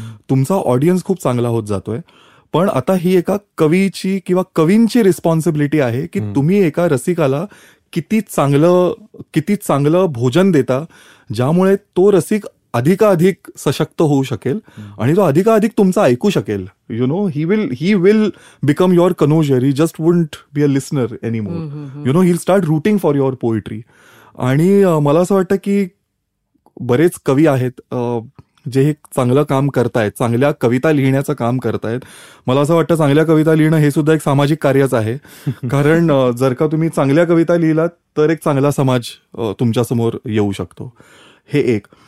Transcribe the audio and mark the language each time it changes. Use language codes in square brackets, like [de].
[mr] तुमचा ऑडियन्स खूप चांगला होत जातोय, पण आता ही एका कवीची किंवा कवींची रिस्पॉन्सिबिलिटी आहे की तुम्ही एका रसिकाला किती चांगलं भोजन देता ज्यामुळे तो रसिक अधिकाधिक सशक्त होऊ शकेल आणि तो अधिकाधिक तुमचा ऐकू शकेल। [en] You know, he will become your connoisseur, he just wouldn't be a listener any more, you know, he will start rooting for your poetry. [mr] आणि मला असं वाटतं की बरेच कवी आहेत जे हे चांगलं काम करतायत, चांगल्या कविता लिहिण्याचं काम करतायत। मला असं वाटतं चांगल्या कविता लिहिणं हे सुद्धा एक सामाजिक कार्यच आहे, कारण जर का तुम्ही चांगल्या कविता लिहिलात तर एक चांगला समाज तुमच्यासमोर येऊ शकतो, हे एक।